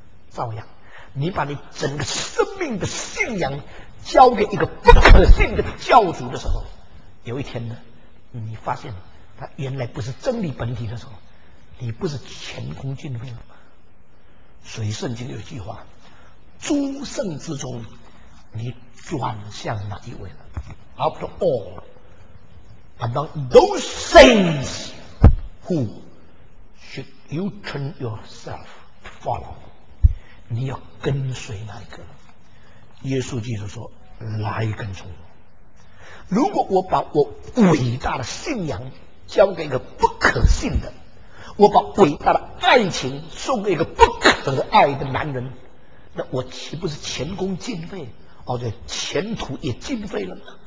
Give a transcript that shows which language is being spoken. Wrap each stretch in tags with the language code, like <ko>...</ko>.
<zh>照样你把你整个生命的信仰交给一个不可信的教主的时候，有一天呢，你发现他原来不是真理本体的时候，你不是前功尽废了吗？所以圣经有句话，诸圣之中你转向哪一位了？</zh> <en>After all among those saints who should you turn yourself to follow，</en> <zh>你要跟随哪一个？耶稣基督说来跟从我。如果我把我伟大的信仰交给一个不可信的，我把伟大的爱情送给一个不可爱的男人，那我岂不是前功尽废，而且前途也尽废了吗？</zh>